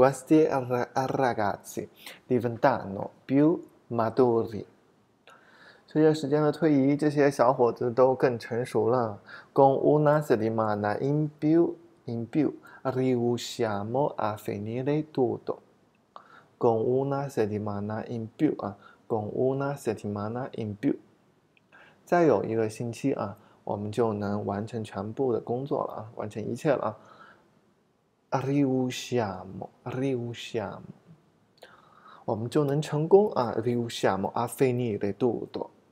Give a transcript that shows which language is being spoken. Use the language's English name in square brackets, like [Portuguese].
[Italian] Questi ragazzi diventano più maturi. [Chinese] 随着时间的推移，这些小伙子都更成熟了。 [Italian] Con una settimana in più, riusciamo a finire tutto. Con una settimana in più [Chinese] 啊， [Italian] con una settimana in più， [Chinese] 再有一个星期啊，我们就能完成全部的工作了啊，完成一切了啊。 Riusciamo，我们就能成功啊。 [Italian] Riusciamo a finire tutto。